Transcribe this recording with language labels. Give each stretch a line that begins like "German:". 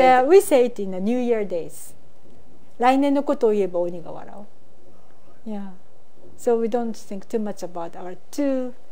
English: And we say it in the New Year days.
Japanese: 来年のことを言えば鬼が笑う.
English: Yeah. So we don't think too much about our two.